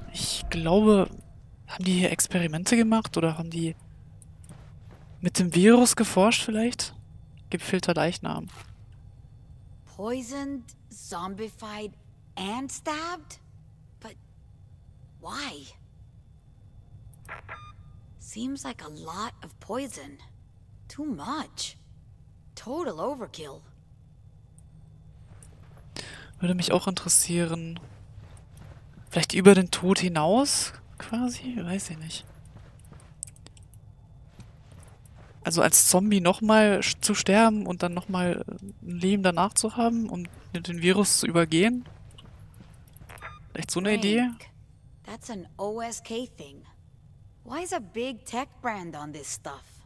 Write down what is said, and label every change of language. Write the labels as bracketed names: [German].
[German] Ich glaube, haben die hier Experimente gemacht oder haben die mit dem Virus geforscht vielleicht? Gefilterter Leichnam. [English] Poisoned, zombified and stabbed? But why? Seems like a lot of poison. Too much. Total overkill. [German] Würde mich auch interessieren. Vielleicht über den Tod hinaus, quasi? Weiß ich nicht. Also als Zombie nochmal zu sterben und dann nochmal ein Leben danach zu haben und den Virus zu übergehen? Vielleicht so eine Idee? [English] That's an OSK thing. Why is a big tech brand on this stuff?